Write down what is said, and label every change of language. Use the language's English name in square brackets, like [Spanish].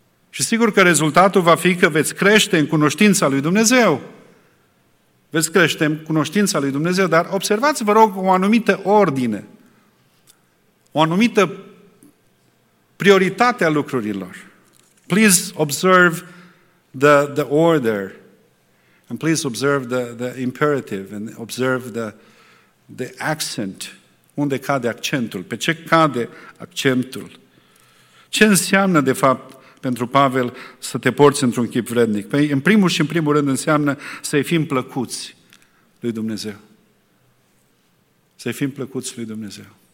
[Romanian] Și sigur că rezultatul va fi că veți crește în cunoștința lui Dumnezeu. Veți crește în cunoștința lui Dumnezeu, dar observați, vă rog, o anumită ordine, o anumită prioritate a lucrurilor. [English] Please observe the order. And please observe the imperative and observe the accent. [Romanian] Unde cade accentul? Pe ce cade accentul? Ce înseamnă, de fapt, pentru Pavel să te porți într-un chip vrednic? Păi, în primul și în primul rând, înseamnă să-i fim plăcuți lui Dumnezeu. Să-i fim plăcuți lui Dumnezeu.